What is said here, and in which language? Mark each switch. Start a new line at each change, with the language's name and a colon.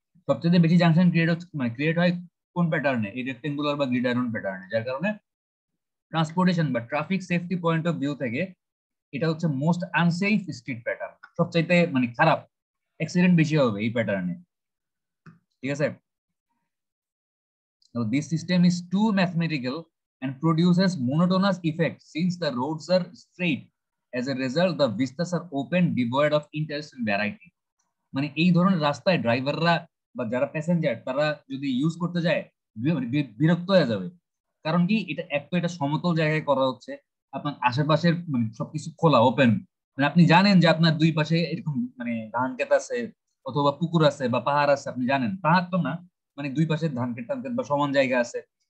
Bangla: সবচেয়ে বেশি junction create হচ্ছে, মানে ক্রিয়েট হয় কোন প্যাটার্নে, এই রেক্টেঙ্গুলার বা গ্রিড আয়রন প্যাটার্নে, যার কারণে ট্রান্সপোর্টেশন বা traffic safety point of view থেকে এটা হচ্ছে মোস্ট আনসেফ স্ট্রিট প্যাটার্ন, সবচাইতে মানে খারাপ, অ্যাক্সিডেন্ট বেশি হবে এই প্যাটার্নে, ঠিক আছে?
English: This system is too mathematical and produces monotonous effect since the roads are straight, as a result the vistas are open devoid of interest and variety.
Bangla: মানে এই ধরনের রাস্তায় ড্রাইভাররা বা যারা প্যাসেঞ্জার তারা যদি ইউজ করতে যায় বিরক্ত হয়ে যাবে, কারণ কি এটা এক তো এটা সমতল জায়গায় করা হচ্ছে, আপনার আশেপাশের মানে সবকিছু খোলা ওপেন, মানে আপনি জানেন যে আপনার দুই পাশে এরকম মানে ধান ক্ষেত আছে অথবা পুকুর আছে বা পাহাড় আছে, আপনি জানেন, পাহাড় তো না মানে দুই পাশে ধান ক্ষেত টান ক্ষেত বা সমান জায়গা আছে,